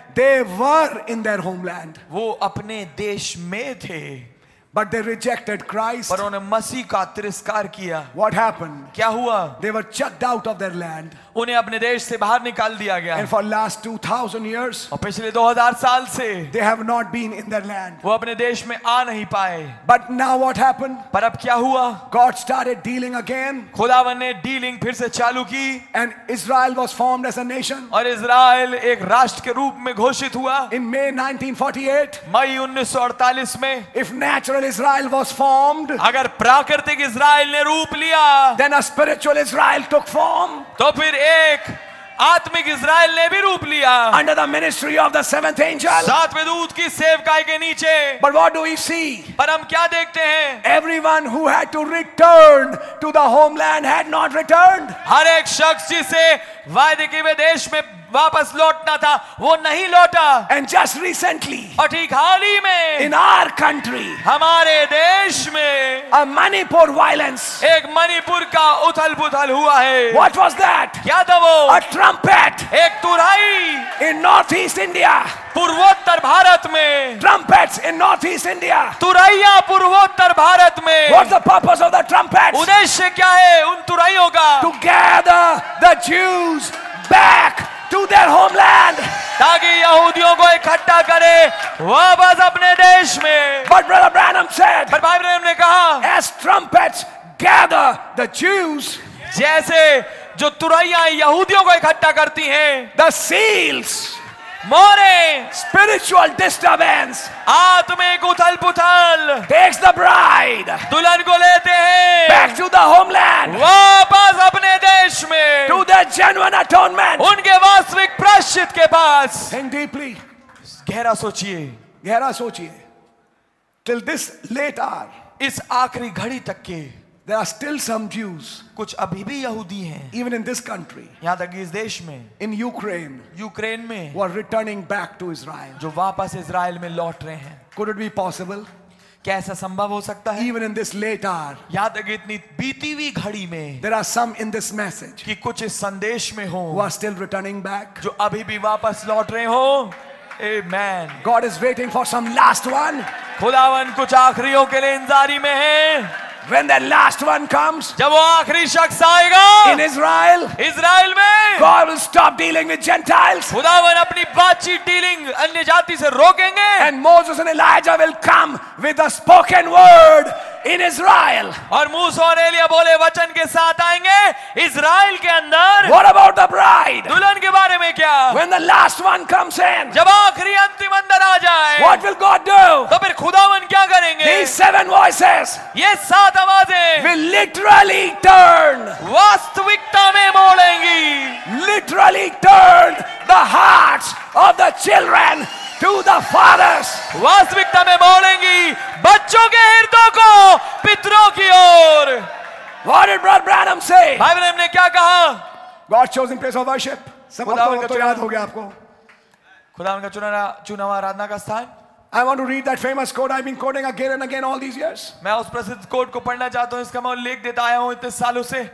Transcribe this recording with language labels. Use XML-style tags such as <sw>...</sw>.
<en>They were in their homeland.</en> <hi>वो अपने देश में थे.</hi> <en>But they rejected Christ.</en> <hi>पर उन्हें मसीह का तिरस्कार किया.</hi> <en>What happened?</en> <hi>क्या हुआ?</hi> <en>They were chucked out of their land.</en> <hi>उन्हें अपने देश से बाहर निकाल दिया गया.</hi> <en>And for last 2000 years.</en> <hi>और पिछले 2000 साल से.</hi> <en>They have not been in their land.</en> <hi>वो अपने देश में आ नहीं पाए.</hi> <en>But now what happened?</en> <hi>पर अब क्या हुआ?</hi> <en>God started dealing again.</en> <hi>खुदावन ने डीलिंग फिर से चालू की.</hi> <en>And Israel was formed as a nation.</en> <hi>और इज़राइल एक राष्ट्र के रूप में घोषित हुआ.</hi> <en>In May 1948.</en> <hi>मई 1948 में.</hi> <en>If natural Israel was formed.</en> <hi>अगर प्राकृतिक इज़राइल ने रूप लिया.</hi> <en>Then a spiritual Israel took form.</en> <hi>तो फिर एक आत्मिक इज़राइल ने भी रूप लिया.</hi> <en>Under the ministry of the seventh angel.</en> <hi>सातवें दूत की सेवकाई के नीचे.</hi> <en>But what do we see?</en> <hi>पर हम क्या देखते हैं?</hi> <en>Everyone who had to return to the homeland had not returned.</en> <hi>हर एक शख्स जिसे वायदे के विदेश में वापस लौटना था वो नहीं लौटा.</hi> <en>And just recently.</en> <hi>और ठीक हाल ही में.</hi> <en>In our country.</en> <hi>हमारे देश में.</hi> <en>A Manipur violence.</en> <hi>एक मणिपुर का उथल-पुथल हुआ है.</hi> <en>What was that?</en> <hi>क्या था वो?</hi> <en>A trumpet.</en> <hi>एक तुराई.</hi> <en>In northeast India.</en> <hi>पूर्वोत्तर भारत में.</hi> <en>Trumpets in northeast India.</en> <hi>तुराइया पूर्वोत्तर भारत में.</hi> <en>What's the purpose of the trumpets?</en> <hi>उद्देश्य क्या है उन तुराइयों का?</hi> <en>To gather the Jews back. To their homeland.</en> <hi>ताकि यहूदियों को इकट्ठा करे वापस अपने देश में.</hi> <en>But Brother Branham said.</en> <hi>पर भाई ब्रैनम ने कहा.</hi> <en>As trumpets gather the Jews.</en> <hi>जैसे जो तुराइयां यहूदियों को इकट्ठा करती हैं.</hi> <en>The seals.</en> <hi>More.</hi> <en>Spiritual disturbance.</en> <hi>आत्मिक उथल-पुथल.</hi> <en>Takes the bride.</en> <hi>दुल्हन को लेते हैं.</hi> <en>Back to the homeland.</en> <hi>वापस अपने देश में.</hi> <en>To the genuine atonement.</en> <hi>उनके वास्तविक प्रायश्चित के पास.</hi> <en>Think deeply.</en> <hi>गहरा सोचिए.</hi> <en>Till this late hour.</en> <hi>इस आखिरी घड़ी तक के.</hi> <en>There are still some Jews.</en> <hi>कुछ अभी भी यहूदी हैं.</hi> <en>Even in this country.</en> <hi>यहाँ तक इस देश में.</hi> <en>In Ukraine.</en> <hi>यूक्रेन में.</hi> <en>Who are returning back to Israel.</en> <hi>जो वापस इज़राइल में लौट रहे हैं.</hi> <en>Could it be possible?</en> <hi>क्या ऐसा संभव हो सकता है?</hi> <en>Even in this late hour.</en> <hi>यहाँ तक इतनी बीती हुई घड़ी में.</hi> <en>There are some in this message.</en> <hi>कि कुछ इस संदेश में हों.</hi> <en>Who are still returning back.</en> <hi>जो अभी भी वापस लौट रहे हों.</hi> <en>Amen. God is waiting for some last one.</en> <hi>खुदावन कुछ आखिरियों के लिए इंतजारी में है.</hi> <en>When the last one comes,</en> <hi>जब वो आखरी शख्स आएगा,</hi> <en>in Israel,</en> <hi>इज़राइल में,</hi> <en>God will stop dealing with Gentiles.</en> <hi>खुदावन अपनी बातचीत डीलिंग अन्य जाति से रोकेंगे.</hi> <en>And Moses and Elijah will come with the spoken word in Israel.</en> <hi>और मूसा और एलिया बोले वचन के साथ आएंगे इज़राइल के अंदर.</hi> <en>What about the bride?</en> <hi>दुल्हन के बारे में क्या?</hi> <en>When the last one comes in,</en> <hi>जब आखरी अंतिम अंदर आ जाए.</hi> <en>What will God do?</en> <hi>तो फिर खुदावन क्या करेंगे?</hi> <en>These seven voices.</en> <hi>ये सात आवाजें.</hi> <en>Will literally turn.</en> <hi>वास्तविकता में मोड़ेंगी.</hi> <en>Literally turn the hearts of the children to the fathers.</en> <hi>वास्तविकता में मोड़ेंगी बच्चों के हृदयों को पितरों की ओर.</hi> <en>What did Brother Branham say?</en> <hi>भाई ब्रैनम ने क्या कहा?</hi> <en>God chosen place of worship.</en> <hi>सब तो याद हो गया आपको. खुदावन का चुना हुआ आराधना का स्थान.</hi> <en>I want to read that famous quote I've been quoting again and again all these years.</en> <hi>मैं उस प्रसिद्ध कोट को पढ़ना चाहता हूँ इसका मैं उल्लेख देता आया हूँ इतने सालों से.</hi>